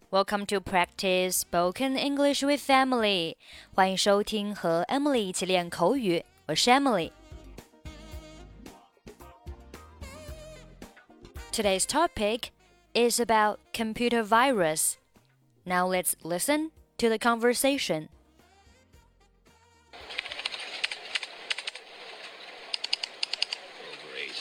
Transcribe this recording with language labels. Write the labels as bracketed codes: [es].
[en] Welcome to Practice Spoken English with Emily. [zh] 欢迎收听和 Emily 一起练口语。我是 Emily. [en] Today's topic is about computer virus. Now let's listen to the conversation. Oh, great.